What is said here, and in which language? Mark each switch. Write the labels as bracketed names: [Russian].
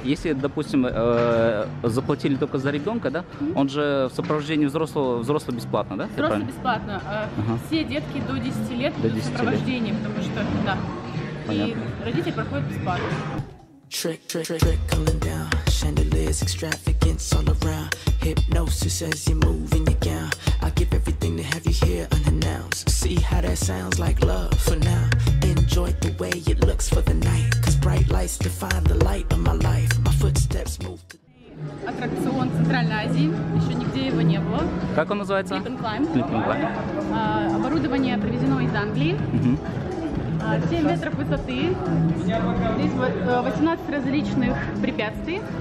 [Russian] Если, допустим, заплатили только за ребенка, да? Он же в сопровождении взрослого бесплатно, да? Взрослый бесплатно. Все детки до 10 лет до 10 в сопровождении, потому что, да. Понятно. И родители проходят бесплатно. [English] Trick, trick, trick, trickling down. Chandeliers, extravagance all around. Hypnosis as you move in your gown. I give everything to have you here unannounced. See how that sounds like love for now. Enjoy the way it looks for the night. Cause bright lights define the light of my life. My footsteps move. [Russian] Аттракцион Центральной Азии, еще нигде его не было. Как он называется? [English] Clip and Climb. Clip and Climb. [Russian] Оборудование привезено из Англии. 7 метров высоты. Здесь 18 различных препятствий.